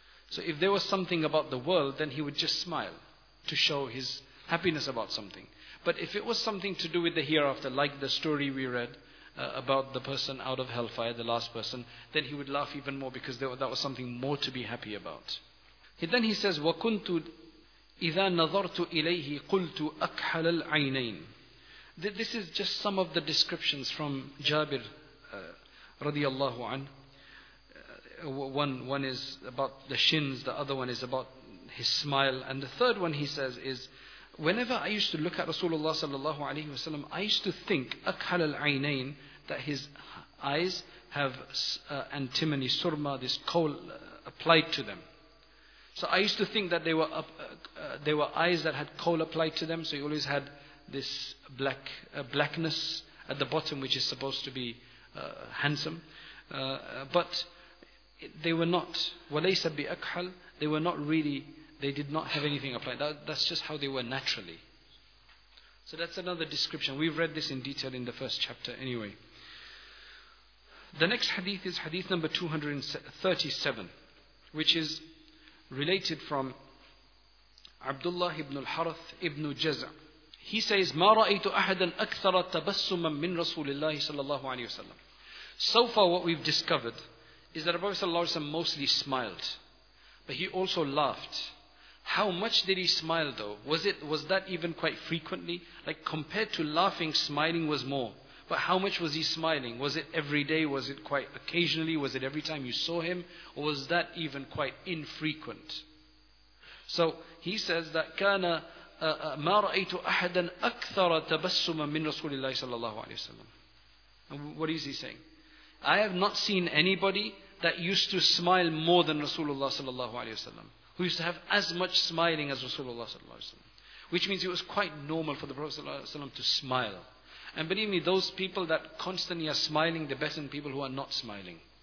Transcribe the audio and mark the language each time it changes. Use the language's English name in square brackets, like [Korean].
[English] So if there was something about the world, then he would just smile to show his happiness about something. But if it was something to do with the hereafter, like the story we read about the person out of hellfire, the last person, then he would laugh even more because that was something more to be happy about. Then he says, [Arabic] وَكُنْتُ إِذَا نَظَرْتُ إِلَيْهِ قُلْتُ أَكْحَلَ الْعَيْنَيْنِ. [English] This is just some of the descriptions from Jabir radiallahu anhu. One is about the shins, the other one is about his smile, and the third one he says is, whenever I used to look at Rasulullah sallallahu alaihi wasallam, I used to think [Arabic] akhal al ainain, [English] that his eyes have antimony, surma, this coal applied to them. So I used to think that they were eyes that had coal applied to them. So he always had this black blackness at the bottom, which is supposed to be handsome, but they were not. [Arabic] Walaysa bi akhal, [English] they were not really. They did not have anything applied. That's just how they were naturally. So that's another description. We've read this in detail in the first chapter anyway. The next hadith is hadith number 237, which is related from Abdullah ibn al-Harith ibn Jaz'a. He says, [Arabic] مَا رَأَيْتُ أَحَدًا أَكْثَرَ تَبَسُّمًا مِّن رَسُولِ اللَّهِ صَلَى اللَّهُ عَلَيْهِ وَسَلَّمَ. [English] So far what we've discovered is that the Prophet sallallahu alayhi wa sallam mostly smiled, but he also laughed. How much did he smile though? Was that even quite frequently? Like compared to laughing, smiling was more. But how much was he smiling? Was it every day? Was it quite occasionally? Was it every time you saw him? Or was that even quite infrequent? So he says that [Arabic] كَانَ مَا رَأَيْتُ أَحَدًا أَكْثَرَ تَبَسُّمًا مِّن رَسُولِ اللَّهِ صَلَى اللَّهُ عَلَيْهِ وَسَلَّمَ. [English] And what is he saying? I have not seen anybody that used to smile more than Rasulullah sallallahu alayhi wa sallam, who used to have as much smiling as Rasulullah sallallahu alayhi wa sallam. Which means it was quite normal for the Prophet sallallahu alayhi wa sallam to smile. And believe me, those people that constantly are smiling, they're better than people who are not smiling.